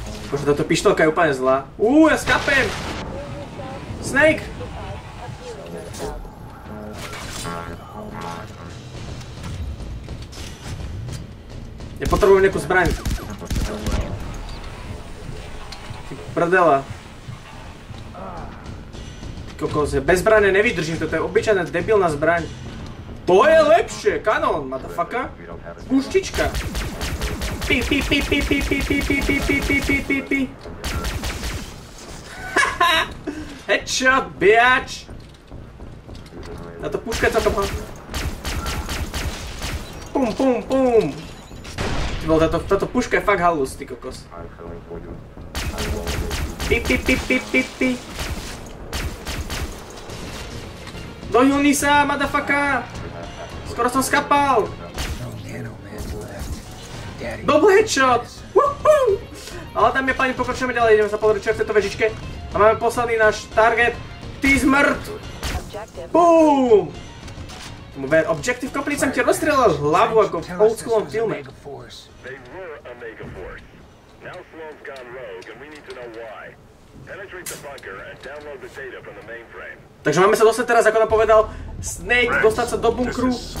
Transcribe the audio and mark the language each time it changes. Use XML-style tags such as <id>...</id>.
<sk>Bože, táto pištolka je úplne zlá. Ja skapem! Snake! Ja potrebujem nejakú zbraň. Ty prdela. Ty kokos, ja bez zbrane nevydržím, toto je obyčajná debilná zbraň. To je lepšie, kanón, motherfucker. Puštička. Pi pi pi pi pi pi pi pi pi pi pi pi pi pi. Headshot, biač. Táto puška to má. Pum pum pum. Bol táto puška je fakt halus, ty kokos. Pi pi pi pi pi pi. Dojúni sa, motherfucker. Skoro som skapal!</sk> <en>Double headshot! Woohoo!</en> <sk>Ale tam je páni, pokračujeme ďalej, ideme sa pozrieť, čo je v tejto vežičke. A máme posledný náš target. Ty zmrt! BOOM! Tomu ver,</sk> <en>objective complete,</en> <sk>som ti rozstrelil hlavu ako v old schoolom filme.</sk> <en>They were a Mega Force. Now Sloan's gone rogue and we need to know why.</en> <sk>Takže máme sa dostať teraz, ako nám povedal Snake, dostať sa do bunkru.</sk>